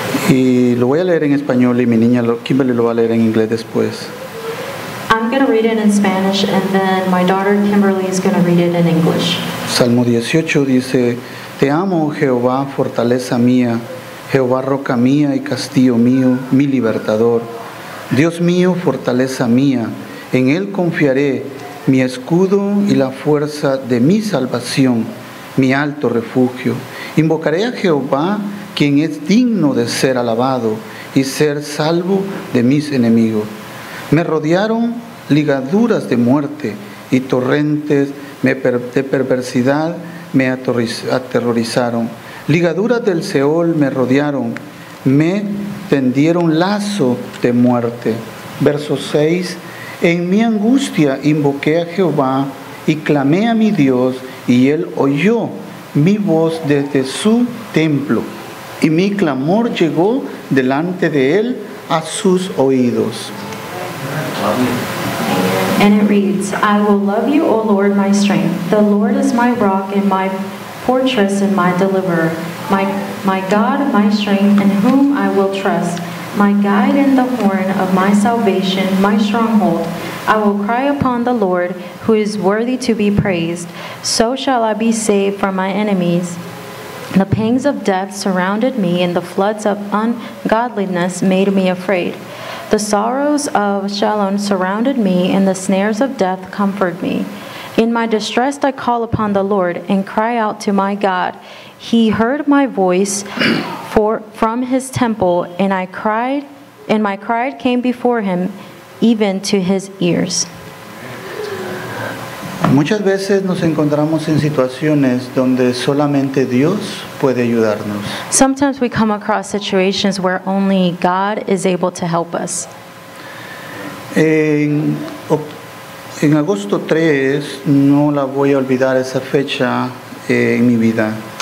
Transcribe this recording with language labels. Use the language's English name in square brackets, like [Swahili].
[Spanish] Y lo voy a leer en español y mi niña Kimberly lo va a leer en inglés después. [English] I'm going to read it in Spanish and then my daughter Kimberly is going to read it in English. [Spanish] Salmo 18 dice, Te amo, Jehová, fortaleza mía, Jehová, roca mía y castillo mío, mi libertador. Dios mío, fortaleza mía, en Él confiaré, mi escudo y la fuerza de mi salvación, mi alto refugio. Invocaré a Jehová, quien es digno de ser alabado y ser salvo de mis enemigos. Me rodearon ligaduras de muerte y torrentes de perversidad me aterrorizaron. Ligaduras del Seol me rodearon, me tendieron lazo de muerte. Verso 6. En mi angustia invoqué a Jehová y clamé a mi Dios y Él oyó mi voz desde su templo y mi clamor llegó delante de Él a sus oídos. [English] And it reads, I will love you, O Lord, my strength. The Lord is my rock and my fortress and my deliverer, my God, my strength, in whom I will trust, my guide in the horn of my salvation, my stronghold. I will cry upon the Lord, who is worthy to be praised. So shall I be saved from my enemies. The pangs of death surrounded me, and the floods of ungodliness made me afraid. The sorrows of Shalom surrounded me, and the snares of death comforted me. In my distress I call upon the Lord and cry out to my God. He heard my voice from his temple, and I cried, and my cry came before him, even to his ears. [Spanish] Muchas veces nos encontramos en situaciones donde solamente Dios puede ayudarnos. [English] Sometimes we come across situations where only God is able to help us. [Spanish] En agosto 3, no la voy a olvidar esa fecha en mi vida.